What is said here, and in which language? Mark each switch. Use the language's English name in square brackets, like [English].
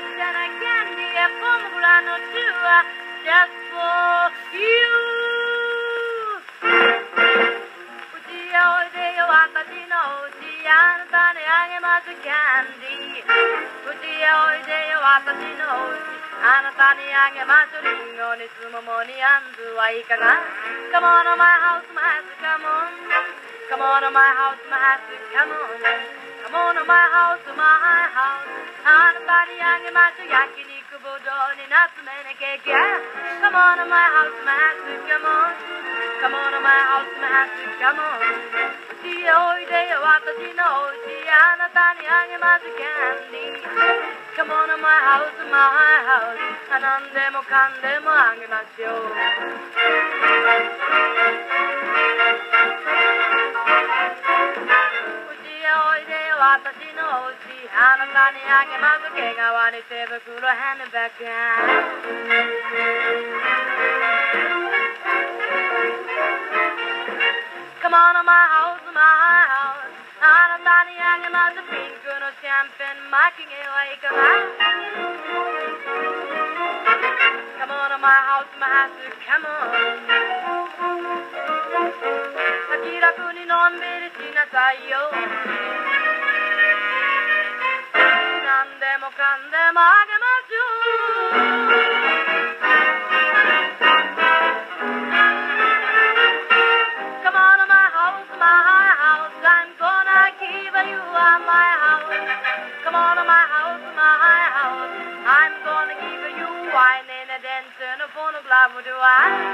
[Japanese] うちへおいでよ、私のうち、あなたにあげますキャンディ。うちへおいでよ、私のうち、あなたにあげますリンゴにつももにあんずはいかが。 [English] Come on to my house, my house, come on。 Come on to my house, my house, come on。 Come on to my house, my house。 [Japanese] あなたにあげます焼肉ぶどうにナツメにケーキ。 [English] Come on to my house, my house, come on。 Come on to my house, my house, come on。 [Japanese] うちへおいでよ、私のおうち、あなたにあげますキャンディ。 [English] Come on to my house, my house。 [Japanese] 何でもかんでもあげましょう。私のお家、あなたにあげます毛皮に手袋ハンドバッグ。 [English] Come on to my house, my house。 [Japanese] あなたにあげますピンクのシャンペン巻き毛はいかが。 [English] Come on to my house, my house, come on。 [Japanese] 気楽にのんびりしなさいよ、何でもかんでもあげましょう。 [English] Come on to my house, my house。 I'm gonna give you my house。 Come on to my house, my house。 I'm gonna give you wine in a dance and a phonograph do I。